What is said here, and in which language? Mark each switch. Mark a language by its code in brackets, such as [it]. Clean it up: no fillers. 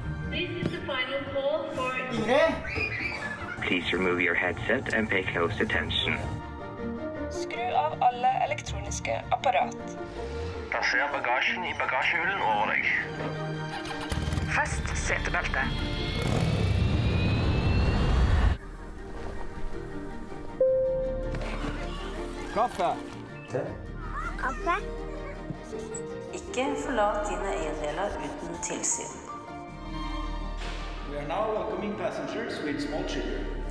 [en] This is the final call for... Ingrid! Please remove your headset and pay close attention. [no] Skru av alle elektroniske apparat. Plasser bagasjen i bagasjehullen over deg. Fest setebeltet. Kaffe. Te. Kaffe. Ikke forlat dine eiendeler uten tilsyn. [en] We are now welcoming passengers with small children.